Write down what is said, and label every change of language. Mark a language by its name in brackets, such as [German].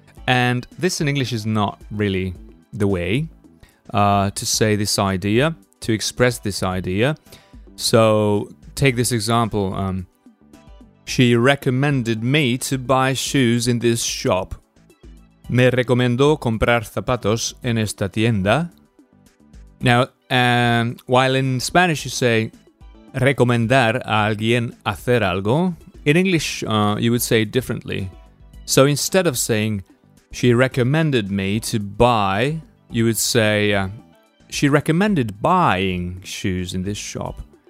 [English] And this in English is not really the way to say this idea, to express this idea. So take this example. She recommended me to buy shoes in this shop. [Spanish] Me recomendó comprar zapatos en esta tienda. [English] Now, while in Spanish you say [Spanish] recomendar a alguien hacer algo, [English] in English you would say it differently. So instead of saying she recommended me to buy, you would say she recommended buying shoes in this shop.